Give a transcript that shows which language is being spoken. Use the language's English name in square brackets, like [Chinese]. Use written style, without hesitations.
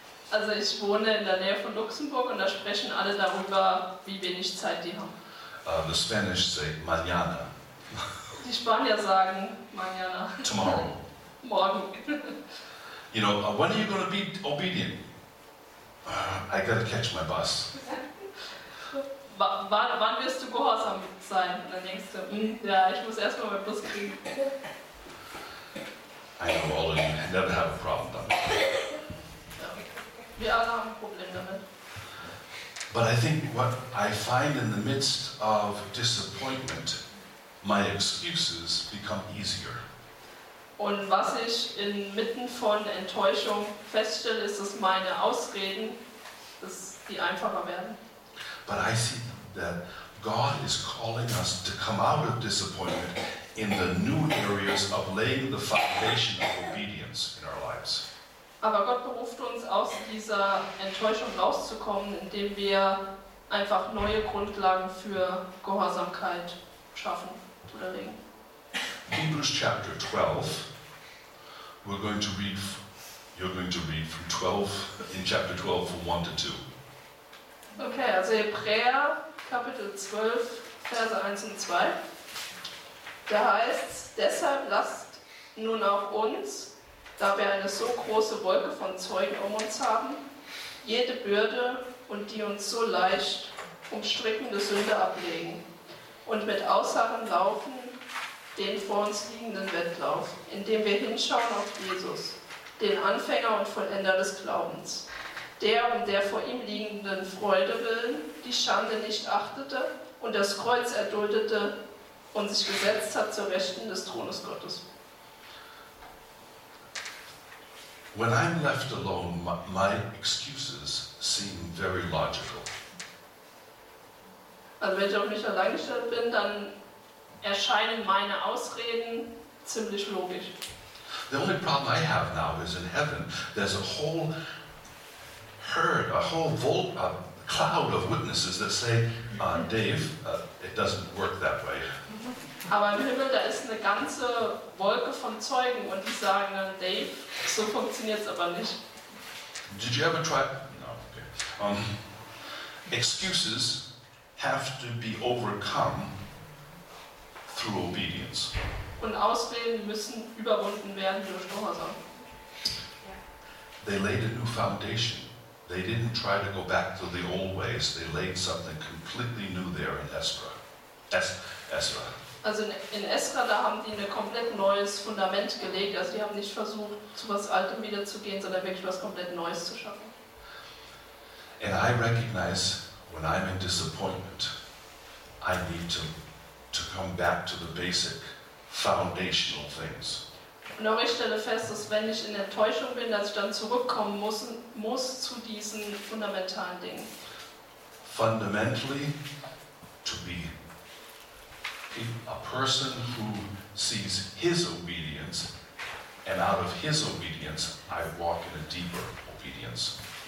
[German] Also ich wohne in der Nähe von Luxemburg und da sprechen alle darüber, wie wenig Zeit die haben. [English] The Spanish say mañana. [German] Die Spanier sagen mañana. [English] Tomorrow. [German] Morgen. [English] You know, when are you going to be obedient? I got to catch my bus. [German] Wann wirst du gehorsam sein? Und dann denkst du, ja, ich muss erstmal meinen Bus kriegen. [English] I know all of you never have a problem with that. [German] Wir alle haben ein Problem damit. [English] But I think what I find in the midst of disappointment, my excuses become easier. [German] Und was ich inmitten von Enttäuschung feststelle, ist, dass meine Ausreden, dass die einfacher werden. [English] But I see that God is calling us to come out of disappointment in the new areas of laying the foundation of obedience in our lives. [German] Aber Gott beruft uns, aus dieser Enttäuschung rauszukommen, indem wir einfach neue Grundlagen für Gehorsamkeit schaffen oder legen. [English] Hebrews chapter 12, we're going to read, you're going to read from 12, in chapter 12 from 1 to 2. [German] Okay, also Hebräer, Kapitel 12, Verse 1 und 2. Da heißt es, deshalb lasst nun auch uns, da wir eine so große Wolke von Zeugen um uns haben, jede Bürde und die uns so leicht umstrickende Sünde ablegen und mit Ausharren laufen den vor uns liegenden Wettlauf, indem wir hinschauen auf Jesus, den Anfänger und Vollender des Glaubens, der um der vor ihm liegenden Freude willen die Schande nicht achtete und das Kreuz erduldete und sich gesetzt hat zur Rechten des Thrones Gottes. [English] When I'm left alone, my excuses seem very logical. [German] Also wenn ich auf mich allein gestellt bin, dann erscheinen meine Ausreden ziemlich logisch. [English] The only problem I have now is in heaven, there's a whole herd, a whole volt, a cloud of witnesses that say, Dave, it doesn't work that way. [German] Aber im Himmel, da ist eine ganze Wolke von Zeugen und die sagen dann, Dave, so funktioniert es aber nicht. [English] Did you ever try? No, okay. Excuses have to be overcome through obedience. [German] Und Ausreden müssen überwunden werden durch Gehorsam. [English] They laid a new foundation. They didn't try to go back to the old ways. They laid something completely new there in Ezra. [German] Also in Ezra, da haben die ein komplett neues Fundament gelegt. Also die haben nicht versucht, zu was Altem wiederzugehen, sondern wirklich was komplett Neues zu schaffen. [English] And I recognize, when I'm in disappointment, I need to come back to the basic, foundational things. [German] Und auch ich stelle fest, dass wenn ich in Enttäuschung bin, dass ich dann zurückkommen muss zu diesen fundamentalen Dingen. [English] Fundamentally, to be a person who sees his obedience, and out of his obedience, I walk in a deeper obedience.